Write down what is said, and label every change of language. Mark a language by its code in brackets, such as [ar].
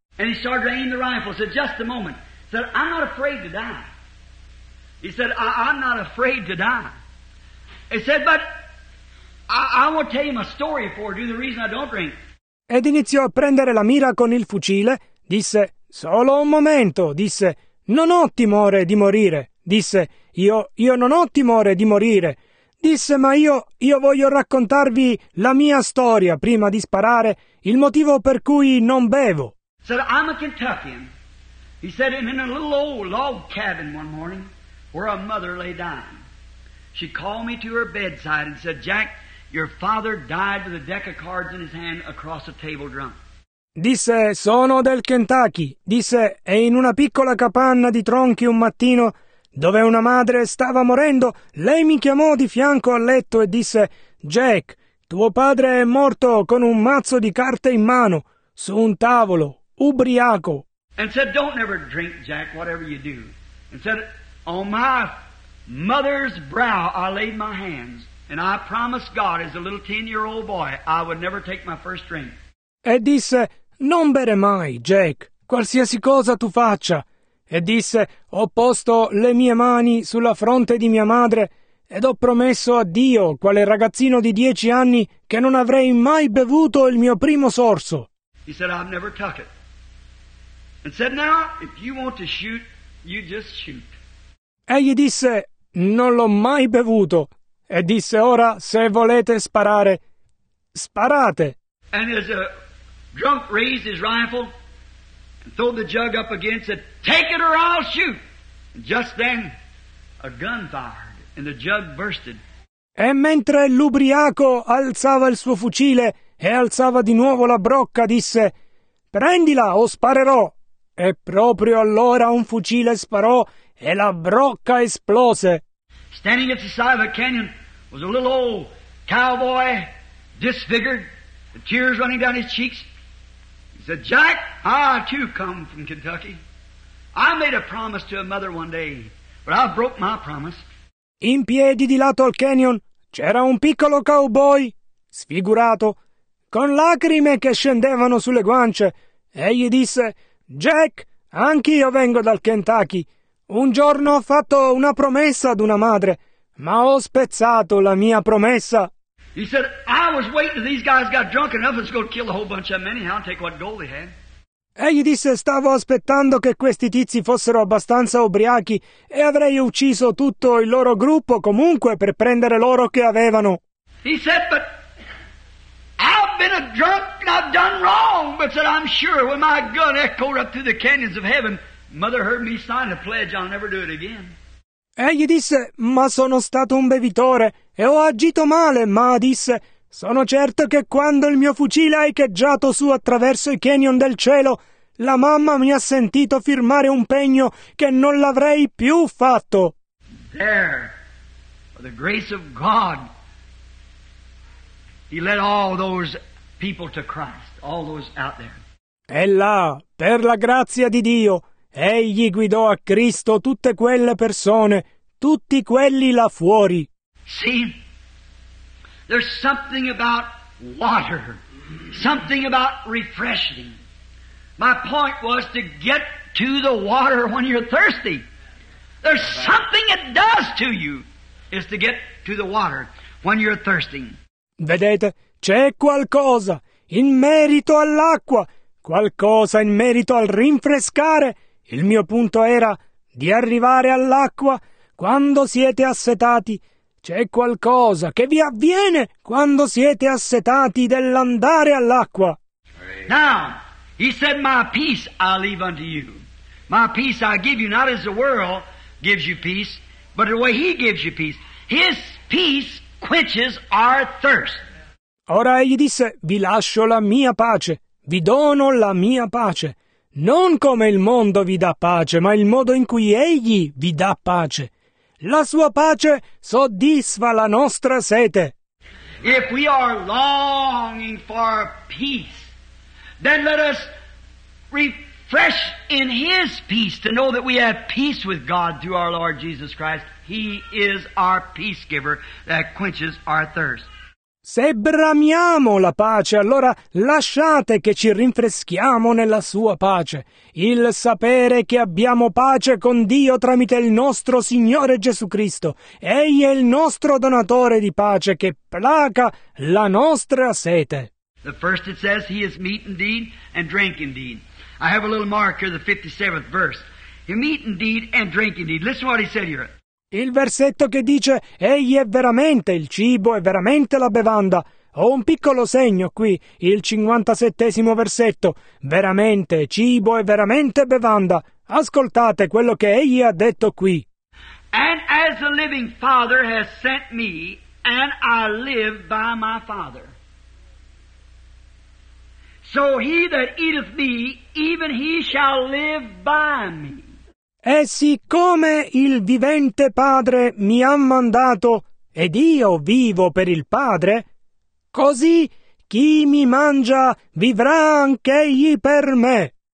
[en] And he started aiming the rifle, said, just a moment. He said, I'm not afraid to die. He said, I'm not afraid to die. He said, but I will tell you my story before I do the reason I don't drink. [it] Ed iniziò a prendere la mira con il fucile. Disse, solo un momento. Disse, non ho timore di morire. disse, io non ho timore di morire. Disse, ma io voglio raccontarvi la mia storia prima di sparare, il motivo per cui non bevo. [en] Said, I'm a Kentuckian. He said, I'm in a little old log cabin one morning where a mother lay dying. She called me to her bedside and said, Jack, your father died with a deck of cards in his hand across a table drunk. [it] Disse, sono del Kentucky. Disse, e in una piccola capanna di tronchi un mattino, dove una madre stava morendo, lei mi chiamò di fianco al letto e disse, Jack, tuo padre è morto con un mazzo di carte in mano, su un tavolo, ubriaco. [en] And said, don't ever drink, Jack, whatever you do. And said, on my mother's brow I laid my hands, and I promised God as a little 10-year-old boy I would never take my first drink. [it] E disse, non bere mai, Jack, qualsiasi cosa tu faccia. E disse, ho posto le mie mani sulla fronte di mia madre ed ho promesso a Dio, quale ragazzino di 10 anni, che non avrei mai bevuto il mio primo sorso. [en] He said, I've never took it. And said, now, if you want to shoot, you just shoot. [it] Egli disse, non l'ho mai bevuto. E disse, ora, se volete sparare, sparate. [en] And as a drunk raised his rifle and threw the jug up again, said, take it or I'll shoot. And just then, a gun fired and the jug bursted. [it] E mentre l'ubriaco alzava il suo fucile e alzava di nuovo la brocca, disse, prendila o sparerò. E proprio allora un fucile sparò e la brocca esplose. [en] Standing at the side of a canyon was a little old cowboy, disfigured, the tears running down his cheeks. He said, Jack, I too come from Kentucky. I made a promise to a mother one day, but I broke my promise. [it] In piedi di lato al canyon c'era un piccolo cowboy, sfigurato, con lacrime che scendevano sulle guance. Egli disse, Jack, anch'io vengo dal Kentucky. Un giorno ho fatto una promessa ad una madre, ma ho spezzato la mia promessa. [en] He said, I was waiting till these guys got drunk enough to go kill a whole bunch of them anyhow and take what gold they had. [it] Egli disse, stavo aspettando che questi tizi fossero abbastanza ubriachi e avrei ucciso tutto il loro gruppo comunque per prendere l'oro che avevano. [en] He said, but I've been a drunk and I've done wrong, but said, I'm sure when my gun echoed up through the canyons of heaven, mother heard me sign a pledge I'll never do it again. [it] Egli disse, ma sono stato un bevitore e ho agito male, ma disse, sono certo che quando il mio fucile ha echeggiato su attraverso i canyon del cielo, la mamma mi ha sentito firmare un pegno che non l'avrei più fatto. [en] There, by the grace of God, he led all those people to Christ, all those out there. [it] E là, per la grazia di Dio, egli guidò a Cristo tutte quelle persone, tutti quelli là fuori. [en] See, there's something about water, something about refreshing. My point was to get to the water when you're thirsty. There's something it does to you, is to get to the water when you're thirsty. [it] Vedete, c'è qualcosa in merito all'acqua, qualcosa in merito al rinfrescare. Il mio punto era di arrivare all'acqua quando siete assetati. C'è qualcosa che vi avviene quando siete assetati dell'andare all'acqua. [en] Now, he said, my peace I leave unto you. My peace I give you, not as the world gives you peace, but the way he gives you peace. His peace quenches our thirst. [it] Ora egli disse, vi lascio la mia pace, vi dono la mia pace. Non come il mondo vi dà pace, ma il modo in cui egli vi dà pace. La sua pace soddisfa la nostra sete. [en] If we are longing for peace, then let us refresh in his peace to know that we have peace with God through our Lord Jesus Christ. He is our peace giver that quenches our thirst. [it] Se bramiamo la pace, allora lasciate che ci rinfreschiamo nella sua pace. Il sapere che abbiamo pace con Dio tramite il nostro Signore Gesù Cristo. Egli è il nostro donatore di pace che placa la nostra sete. [en] The first it says, he is meat indeed and drink indeed. I have a little marker, the 57th verse. You meet indeed and drink indeed. Listen what he said here. [it] Il versetto che dice egli è veramente il cibo, è veramente la bevanda. Ho un piccolo segno qui, il 57esimo versetto. Veramente cibo e veramente bevanda. Ascoltate quello che egli ha detto qui. [en] And as the living Father has sent me, and I live by my Father. So he that eateth me, even he shall live by me. [it] E siccome il vivente Padre mi ha mandato, ed io vivo per il Padre, così chi mi mangia vivrà anche egli per me.